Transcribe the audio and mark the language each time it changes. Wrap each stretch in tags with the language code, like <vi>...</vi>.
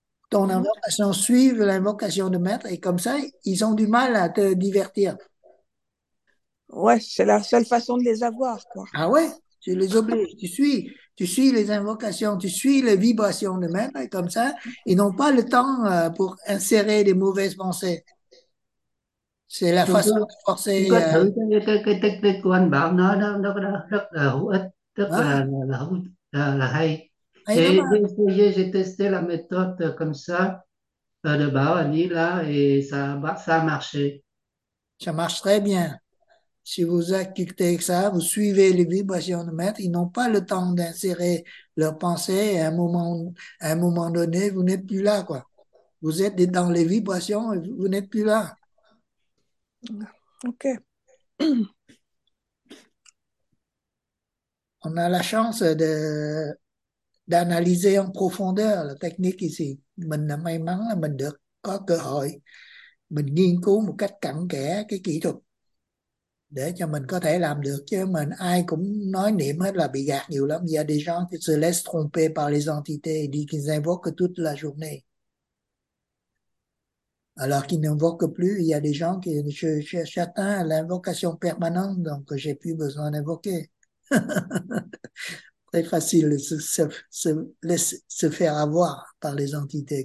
<fr>Ton invocation suit l'invocation de maître et comme ça, ils ont du mal à te divertir. Ouais, c'est la seule façon de les avoir, quoi. Ah ouais, tu les obliges, tu suis les invocations, tu suis les vibrations de maître et comme ça, ils n'ont pas le temps pour insérer des mauvaises pensées. C'est la façon de</fr> <vi>Tôi</vi> <fr>forcer.</fr> <vi>có thử cái technique của anh bảo nói đó, nó rất là hữu ích, rất Hả? là hay. Hay lắm.</vi> <fr>Et j'ai testé la méthode comme ça, de bảo anh ấy là, et ça a marché. Ça marche très bien. Si vous écoutez ça, vous suivez les vibrations de maître, ils n'ont pas le temps d'insérer leurs pensées et à un moment donné, vous n'êtes plus là, quoi. Vous êtes dans les vibrations et vous n'êtes plus là. OK. On a la chance d'analyser en profondeur la technique ici.</fr> <vi>Mình là may mắn là mình được có cơ hội mình nghiên cứu một cách cặn kẽ cái kỹ thuật để cho mình có thể làm được. Chứ mình ai cũng nói niệm hết là bị gạt nhiều lắm.</vi> <fr>Il y a des gens qui se laissent tromper par les entités et disent qu'ils invoquent toute la journée. Alors qu'ils n'invoquent plus, il y a des gens qui j'atteins l'invocation permanente, donc j'ai plus besoin d'invoquer. Très facile de se laisser se faire avoir par les entités.</fr>